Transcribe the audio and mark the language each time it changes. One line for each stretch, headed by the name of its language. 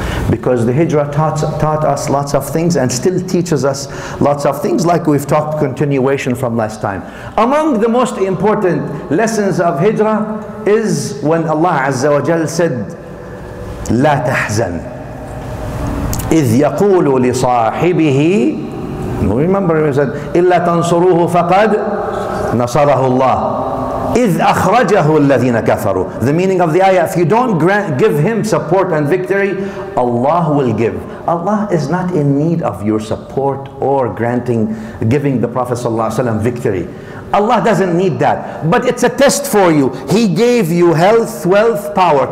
English: Because the hijrah taught us lots of things and still teaches us lots of things, like we've talked continuation from last time. Among the most important lessons of hijrah is when Allah Azza wa Jal said,
Arabic: لا تحزن إذ يقول لصاحبه.
English: Remember he said,
Arabic: إلا تنصروه فقد نصره الله إذ أخرجه الذين كفروا.
English: The meaning of the ayah, if you don't grant, give him support and victory, Allah will give. Allah is not in need of your support or granting, giving the Prophet صلى الله عليه وسلم victory. Allah doesn't need that. But it's a test for you. He gave you health, wealth, power.